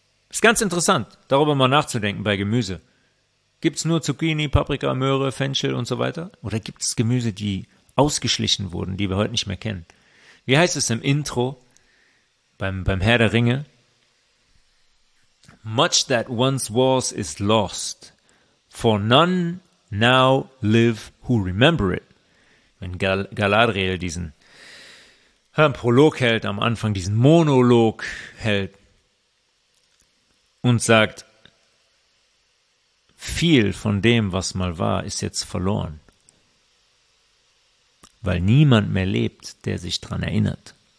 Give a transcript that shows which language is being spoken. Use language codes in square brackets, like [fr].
[de] Ist ganz interessant, darüber mal nachzudenken bei Gemüse. Gibt's nur Zucchini, Paprika, Möhre, Fenchel und so weiter? Oder gibt's Gemüse, die ausgeschlichen wurden, die wir heute nicht mehr kennen? Wie heißt es im Intro beim Herr der Ringe? [en] Much that once was is lost, for none now live who remember it. [de] Wenn Galadriel diesen Prolog hält, am Anfang diesen Monolog hält und sagt, viel von dem, was mal war, ist jetzt verloren, weil niemand mehr lebt, der sich dran erinnert.